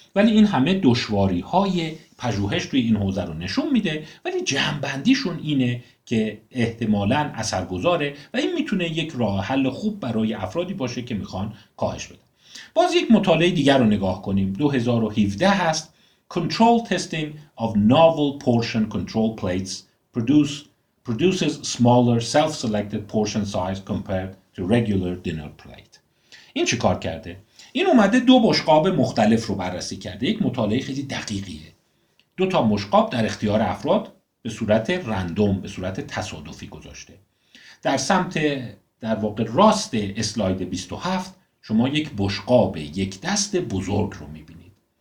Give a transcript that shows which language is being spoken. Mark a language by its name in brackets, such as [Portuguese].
[Persian] ولی این همه دشواری های پژوهش توی این حوزه رو نشون میده، ولی جمع‌بندیشون اینه که احتمالاً اثرگذاره و این میتونه یک راه حل خوب برای افرادی باشه که میخوان کاهش بدن. باز یک مطالعه دیگر رو نگاه کنیم. 2017 هست. [English] Control testing of novel portion control plates produces smaller self-selected portion size compared to regular dinner plate. [Persian] این چه کار کرده؟ این اومده دو بشقاب مختلف رو بررسی کرده. یک مطالعه خیلی دقیقیه. دو تا بشقاب در اختیار افراد به صورت رندوم، به صورت تصادفی گذاشته. در سمت در واقع راست اسلاید 27 شما یک بشقاب یک دست بزرگ رو میبینید.